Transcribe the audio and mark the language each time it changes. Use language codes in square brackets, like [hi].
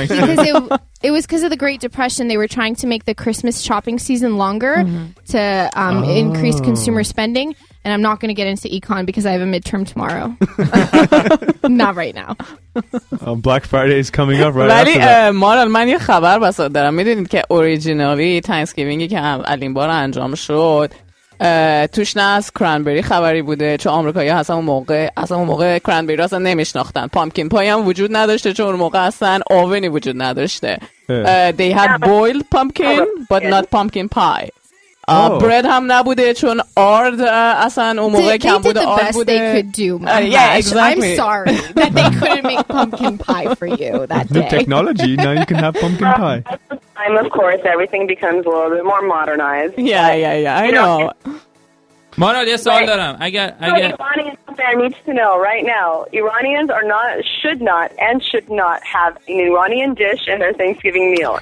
[en] Because it was because of the Great Depression. They were trying to make the Christmas shopping season longer to increase consumer spending. And I'm not going to get into econ because I have a midterm tomorrow. Not right now. Black Friday is coming up right after that. [fa] مارال من یه خبر بسات دارم. میدونید که اوریجینالی Thanksgivingی که اولین بار انجام شد توش نه از کرنبری خبری بوده چون آمریکایی‌ها اصلا اون موقع کرنبری را اصلا نمیشناختن پامکین پای هم وجود نداشته چون اون موقع اصلا اوونی وجود نداشته [en] They had boiled pumpkin, but not pumpkin pie. [fa] Bread هم نبوده چون آرد اصلا اون موقع کم بوده آرد بوده. [en] They did the best they could do. Exactly. I'm sorry that they couldn't make pumpkin pie for you that day. New technology, now you can have pumpkin pie. Time, of course, everything becomes a little bit more modernized. Yeah, I know. [fa] مارال یه سوال دارم. اگر [en] Iranians out there need to know right now, Iranians are not, should not, and should not have an Iranian dish in their Thanksgiving meal.